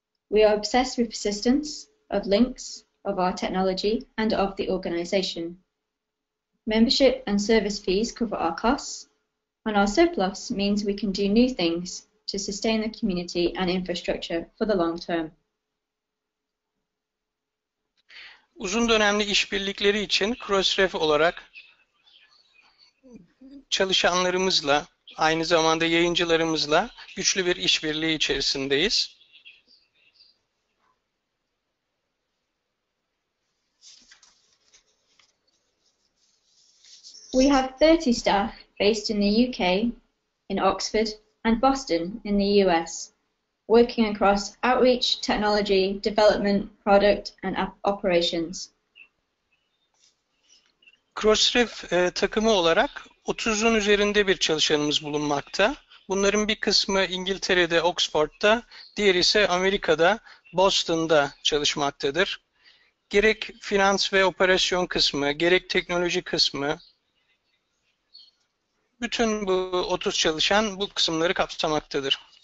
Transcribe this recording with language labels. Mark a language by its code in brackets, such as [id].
[en] We are obsessed with persistence, of links, of our technology, and of the organization. Membership and service fees cover our costs, and our surplus means we can do new things to sustain the community and infrastructure for the long term. [tr] Uzun dönemli işbirlikleri için Crossref olarak çalışanlarımızla, aynı zamanda yayıncılarımızla güçlü bir işbirliği içerisindeyiz. [en] We have 30 staff based in the UK, in Oxford, and Boston in the US, working across outreach, technology, development, product, and operations. [tr] Crossref takımı olarak 30'un üzerinde bir çalışanımız bulunmakta. Bunların bir kısmı İngiltere'de, Oxford'da, diğeri ise Amerika'da, Boston'da çalışmaktadır. Gerek finans ve operasyon kısmı, gerek teknoloji kısmı, bütün bu 30 çalışan bu kısımları kapsamaktadır.